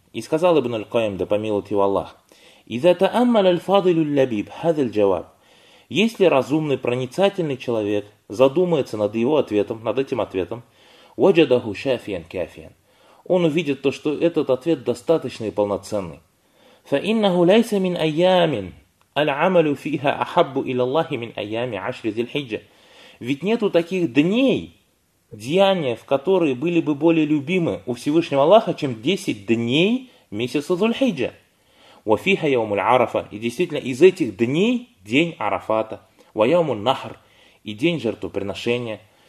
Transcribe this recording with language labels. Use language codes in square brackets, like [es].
[ru] И сказал Ибн аль-Кайм, да помилует его Аллах, [ar] إِذَا تَأَمَّلَ الْفَضِلُ الْلَبِيبُ هَذَا الْجَوَابُ. [ru] Если разумный, проницательный человек задумается над его ответом, над этим ответом, [ar] وَجَدَهُ شَافِيًا كَافِيًا. [ru] Он увидит то, что этот ответ достаточный и полноценный. [ar] فإنه ليس من أيام العمل فيها أحب إلى الله من أيام عشر ذي الحجة. [ru] Ведь нету таких дней, деяния, в которые были бы более любимы у Всевышнего Аллаха, чем 10 дней месяца Зульхиджа. [ar] وفيها يوم العرفة. [ru] И действительно, из этих дней день Арафата. [ar] ويوم النحر. [ru] И день жертвоприношения.